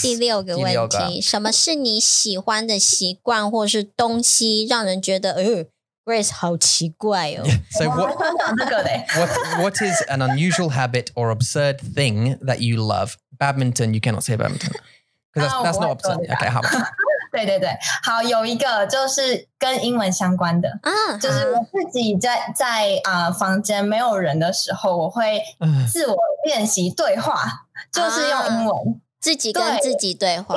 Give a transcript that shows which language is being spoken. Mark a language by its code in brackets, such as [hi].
[zh] 第六个问题，什么是你喜欢的习惯或是东西，让人觉得 Grace, 好奇怪哦。 [en] So what, what is an unusual habit or absurd thing that you love? Badminton, you cannot say badminton. Because that's not absurd. Okay, how about that? [zh] 对对对，好，有一个就是跟英文相关的，就是我自己在房间没有人的时候，我会自我练习对话，就是用英文自己跟自己对话。